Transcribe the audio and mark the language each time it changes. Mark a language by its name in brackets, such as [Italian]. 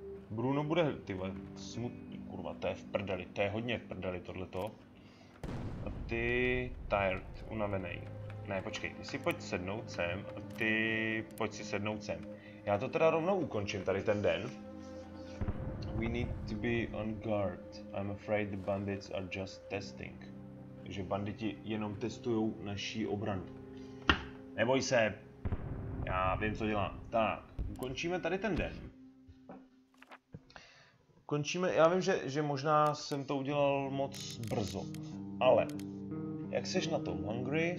[Czech] Bruno bude, ty vole, smutný, kurva, to je v prdeli, to je hodně v prdeli tohleto. A ty, [English] tired, [Czech] unavený. Ne, počkej, ty si pojď sednout sem a ty pojď si sednout sem. Já to teda rovnou ukončím tady ten den. [English] We need to be on guard. I'm afraid the bandits are just testing. [Czech] Že banditi jenom testujou naší obranu. Neboj se, já vím, co dělám. Tak, ukončíme tady ten den. Ukončíme, já vím, že možná jsem to udělal moc brzo, ale... Jak seš na tom? [English] Hungry?